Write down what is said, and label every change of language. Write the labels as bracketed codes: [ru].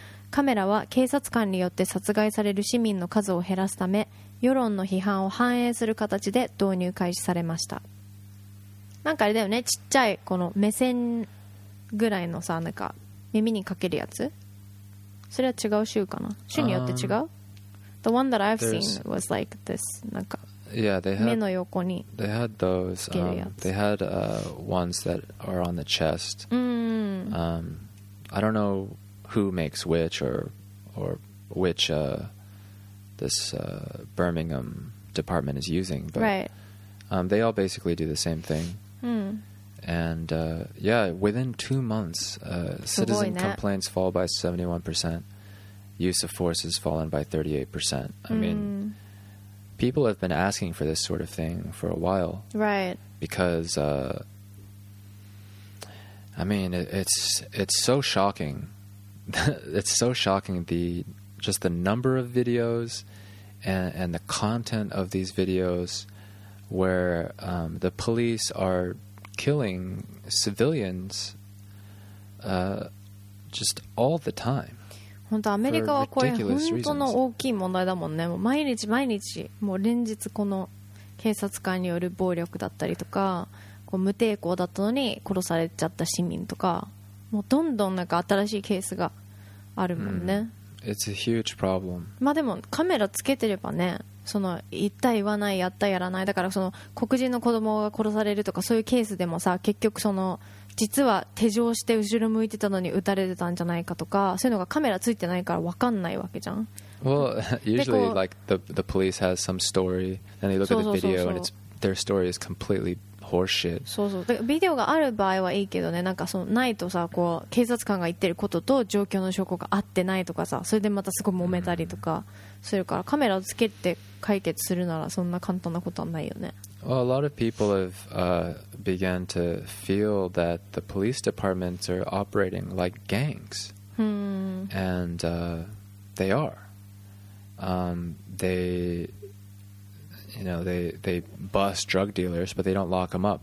[ja] カメラは警察官によって殺害される市民の数を減らすため、世論の批判を反映する形で導入開始されました。なんかあれだよね、ちっちゃいこの目線ぐらいのさ、なんか耳にかけるやつ、それは違う州かな、州によって違う。 [en] The one that I've seen was like this. Yeah, they had those. They had ones that are on the chest. I don't know who makes which or which this Birmingham department is using, but right. They all basically do the same thing. And yeah, within 2 months, citizen complaints fall by 71%. Use of force has fallen by 38%. I mean, people have been asking for this sort of thing for a while. Right. Because, I mean, it's so shocking. It's so shocking, just the number of videos and the content of these videos where the police are killing civilians just all the time. [ja] 本当アメリカはこれ本当の大きい問題だもんね。もう毎日毎日もう連日この警察官による暴力だったりとか、こう無抵抗だったのに殺されちゃった市民とか、もうどんどんなんか新しいケースがあるもんね。 [en] It's a huge problem. [ja] まあでもカメラつけてればね、その言った言わないやったやらない、だからその黒人の子供が殺されるとかそういうケースでもさ、結局その実は手錠して後ろ向いてたのに撃たれてたんじゃないかとか、そういうのがカメラついてないから分かんないわけじゃん。 [en] Well, usually like the police has some story and they look at the video and their story is completely horseshit. [ja] そうそう、だからビデオがある場合はいいけどね、なんかそのないとさ、こう警察官が言ってることと状況の証拠が合ってないとかさ、それでまたすごい揉めたりとかするから、カメラをつけて解決するならそんな簡単なことはないよね。 [en] Well, a lot of people have began to feel that the police departments are operating like gangs. And they are. They, you know, they bust drug dealers, but they don't lock them up.